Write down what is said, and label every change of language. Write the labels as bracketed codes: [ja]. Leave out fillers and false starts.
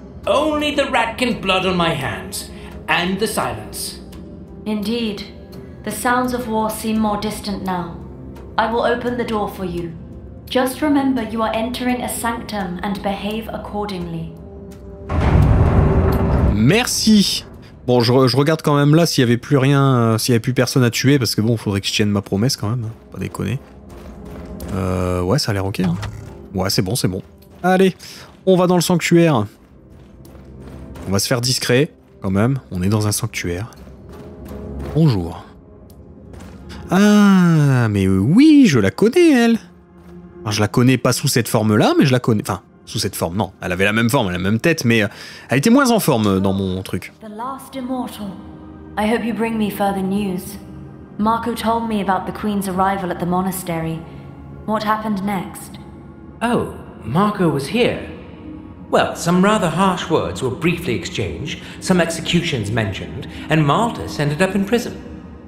[en] Only the Ratkin blood on my hands, and the silence. Indeed. The sounds of war seem more distant now. I will open the door for you. Just remember you are entering a sanctum and behave accordingly. [fr] Merci. Bon, je regarde quand même là s'il n'y avait plus rien, s'il n'y avait plus personne à tuer, parce que bon, il faudrait que je tienne ma promesse quand même, pas déconner. Ouais, ça a l'air ok. Hein. Ouais, c'est bon, c'est bon. Allez, on va dans le sanctuaire. On va se faire discret, quand même. On est dans un sanctuaire. Bonjour. Ah, mais oui, je la connais, elle. Enfin, je la connais pas sous cette forme-là, mais je la connais... Enfin, sous cette forme, non. Elle avait la même forme, la même tête, mais elle était moins en forme dans mon truc. [en] The last immortal. I hope you bring me further news. Marco told me about the Queen's arrival at the monastery. What happened next? Oh, Marco was here. Well, some rather harsh words were briefly exchanged, some executions mentioned, and Malthus ended up in prison.